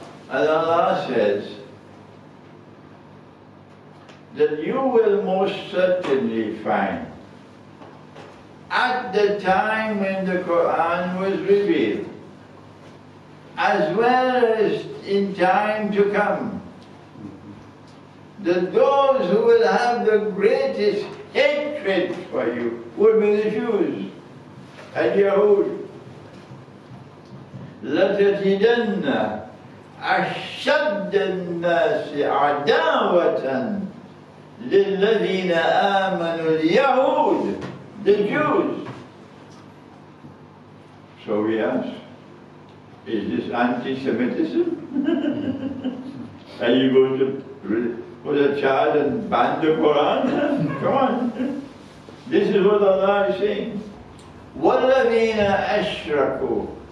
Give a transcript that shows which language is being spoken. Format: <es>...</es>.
<en>And Allah says that you will most certainly find at the time when the Quran was revealed, as well as in time to come, that those who will have the greatest hatred for you will be the Jews and Yahud.</en> <ar>لَتَجِدَنَّ أَشَدَّ النَّاسِ عَدَاوَةً لِلَّذِينَ آمَنُوا الْيَهُودِ,</ar> <en>the Jews. So we ask, is this anti-Semitism? Are you going to put a child and ban the Quran? Come on. This is what Allah is saying.</en> <ar>وَالَّذِينَ أَشْرَكُوا.</ar>